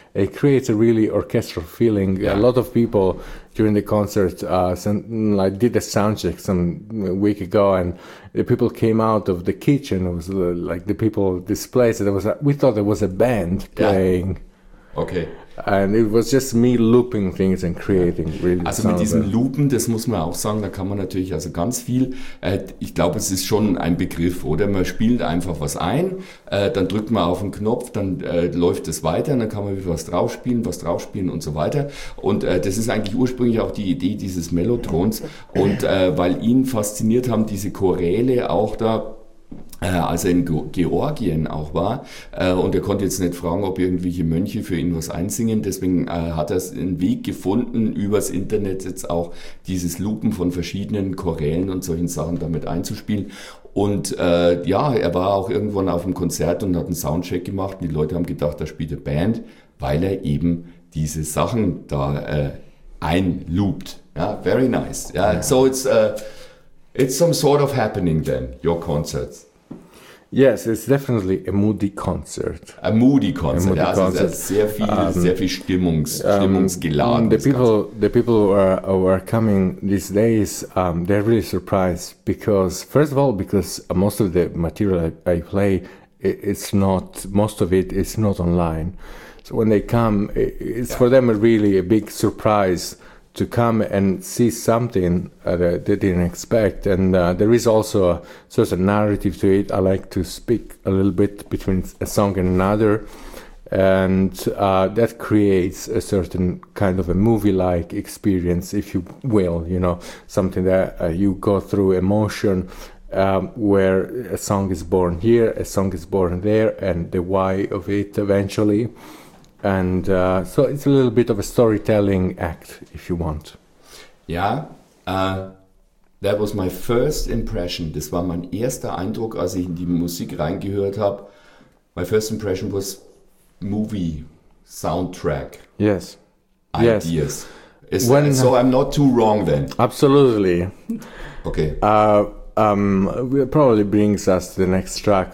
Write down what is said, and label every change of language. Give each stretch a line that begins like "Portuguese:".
English: It creates a really orchestral feeling. Yeah. A lot of people during the concert, I did a sound check some week ago and the people came out of the kitchen. It was like the people displaced. We thought there was a band playing. Yeah. Okay. And it was just me looping things and creating really.
German: Also mit diesen Loopen, das muss man auch sagen, da kann man natürlich also ganz viel, ich glaube, es ist schon ein Begriff, oder? Man spielt einfach was ein, dann drückt man auf einen Knopf, dann läuft es weiter, dann kann man wieder was draufspielen und so weiter. Und das ist eigentlich ursprünglich auch die Idee dieses Mellotrons. Und weil ihn fasziniert haben, diese Choräle auch da, als er in Georgien auch war, und er konnte jetzt nicht fragen, ob irgendwelche Mönche für ihn was einsingen, deswegen hat er einen Weg gefunden, übers Internet jetzt auch dieses Loopen von verschiedenen Chorälen und solchen Sachen damit einzuspielen. Und ja, er war auch irgendwann auf einem Konzert und hat einen Soundcheck gemacht und die Leute haben gedacht, da spielt eine Band, weil er eben diese Sachen da einloopt.
English: Ja, very nice. Ja, so it's some sort of happening then, your concerts. Yes, it's definitely a moody concert. A moody concert. A moody concert.
German: Also sehr viel Stimmungsgeladen.
English: The people who are coming these days, they're really surprised because, first of all, because most of the material I play, it's not online. So when they come, it's for them really a big surprise to come and see something that they didn't expect. And there is also a sort of narrative to it. I like to speak a little bit between a song and another. And that creates a certain kind of a movie-like experience, if you will, you know, something that you go through emotion, where a song is born here, a song is born there, and the why of it eventually. And so it's a little bit of a storytelling act, if you want. Yeah, that was my first impression.
German: Das war mein erster Eindruck, als ich in die Musik reingehört habe.
English: My first impression was movie soundtrack. Yes. Ideas. Yes. So I'm not too wrong then. Absolutely. Okay. It probably brings us to the next track.